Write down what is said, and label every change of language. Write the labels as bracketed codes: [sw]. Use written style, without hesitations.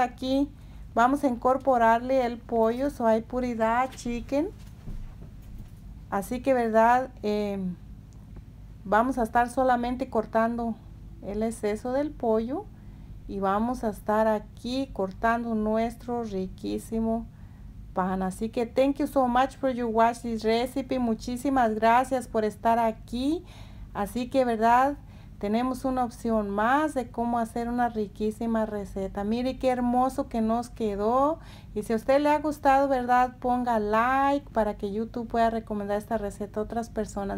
[es] Aquí vamos a incorporarle el pollo. [en] So I put it a chicken. [es] Así que, ¿verdad? Vamos a estar solamente cortando el exceso del pollo. Y vamos a estar aquí cortando nuestro riquísimo pan. Así que [en] thank you so much for your watch this recipe. [es] Muchísimas gracias por estar aquí. Así que, ¿verdad? Tenemos una opción más de cómo hacer una riquísima receta. Mire qué hermoso que nos quedó. Y si a usted le ha gustado, ¿verdad? Ponga like para que YouTube pueda recomendar esta receta a otras personas.